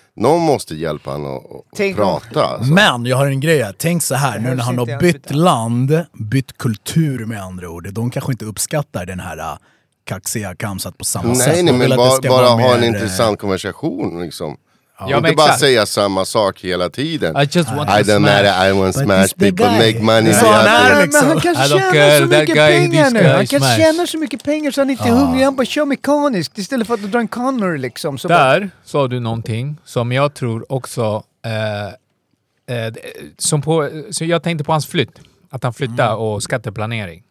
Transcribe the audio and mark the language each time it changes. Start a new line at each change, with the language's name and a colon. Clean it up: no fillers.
Swedish: Någon måste hjälpa honom att prata. Alltså. Men jag har en grej. Tänk så här, nu när han har bytt land, bytt kultur med andra ord. De kanske inte uppskattar den här kaxiga Kamsat på samma sätt. Nej, men bara ha en intressant konversation liksom. Ja, inte bara säga samma sak hela tiden.
English: I don't matter, I want to smash people, make money.
Swedish: Han kanske tjänar så mycket pengar så han inte är hungrig. Han bara kör mekaniskt istället för att dra en Connor. Liksom, där sa du någonting som jag tror också som på, så jag tänkte på hans flytt, att han flyttade och skatteplanering.